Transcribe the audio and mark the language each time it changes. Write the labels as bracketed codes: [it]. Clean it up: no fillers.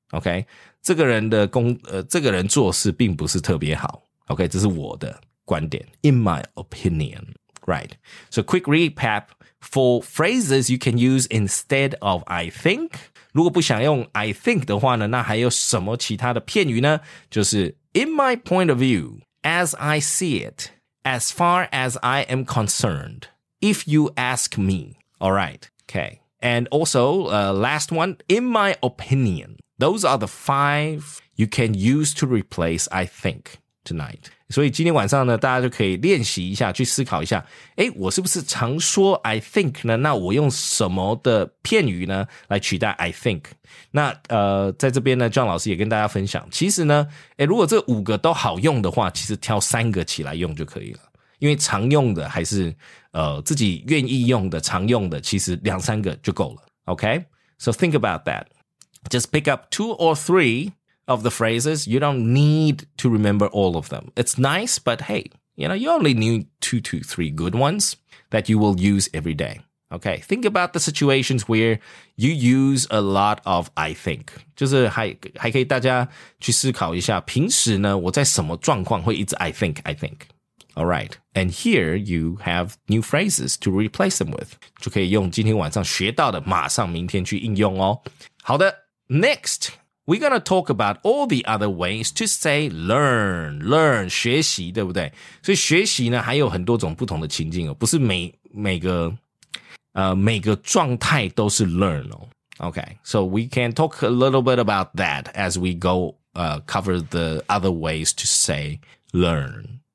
[zh] OK, 这个人的工这个人做事并不是特别好。 OK, 这是我的观点。 [en] In my opinion. Right. So quick recap for phrases you can use instead of I think. [zh] 如果不想用 I think 的话呢，那还有什么其他的片语呢？ [en] 就是 in my point of view, as I see it, as far as I am concerned. If you ask me, all right, okay. And also, last one, in my opinion, those are the five you can use to replace, I think, tonight. [zh] 所以今天晚上呢，大家就可以练习一下，去思考一下，诶，我是不是常说 I think 呢？那我用什么的片语呢，来取代 I think? 那在这边呢 ,John 老师也跟大家分享，其实呢，诶，如果这五个都好用的话，其实挑三个起来用就可以了。因为常用的还是自己愿意用的常用的其实两三个就够了。 [en] Okay? So think about that. Just pick up two or three of the phrases. You don't need to remember all of them. It's nice, but hey, you know, you only need two to three good ones that you will use every day. Okay? Think about the situations where you use a lot of I think. [zh] 就是还可以大家去思考一下平时呢我在什么状况会一直 I think. [en] All right, and here you have new phrases to replace them with. [zh] 就可以用今天晚上学到的马上明天去应用哦。 [en] 好的 ,next, we're gonna talk about all the other ways to say learn, [zh] 学习对不对？所以学习呢还有很多种不同的情境哦，不是每个状态都是 learn 哦。 [en] Okay, so we can talk a little bit about that as we go, cover the other ways to say learn.